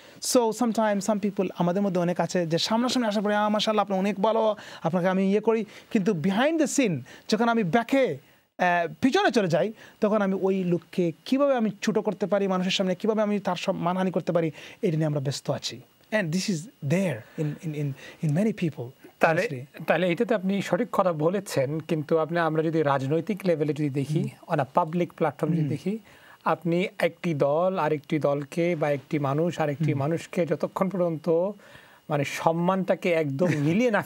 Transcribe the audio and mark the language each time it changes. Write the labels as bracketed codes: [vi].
[en] so sometimes some people, [bn] আমাদের মধ্যে অনেক আছে যে সামনাসামনি আসার পরে মাশাআল্লাহ আপনি অনেক ভালো, আপনাকে আমি ইয়ে করি, কিন্তু [en] behind the scene [bn] যখন আমি ব্যাকে পিছনে চলে যাই, তখন আমি ওই লোককে কীভাবে আমি ছুটো করতে পারি, মানুষের সামনে কীভাবে আমি তার সব মানহানি করতে পারি, এটা নিয়ে আমরা ব্যস্ত আছি. [en] And this is there in many people. [bn] তাহলে তাহলে এটাতে আপনি সঠিক কথা বলেছেন, কিন্তু আপনি আমরা যদি রাজনৈতিক লেভেলে যদি দেখি, [en] on public platform [bn] যদি দেখি, আপনি একটি দল আরেকটি দলকে বা একটি মানুষ আরেকটি মানুষকে যতক্ষণ পর্যন্ত মানে সম্মানটাকে একদম মিলিয়ে না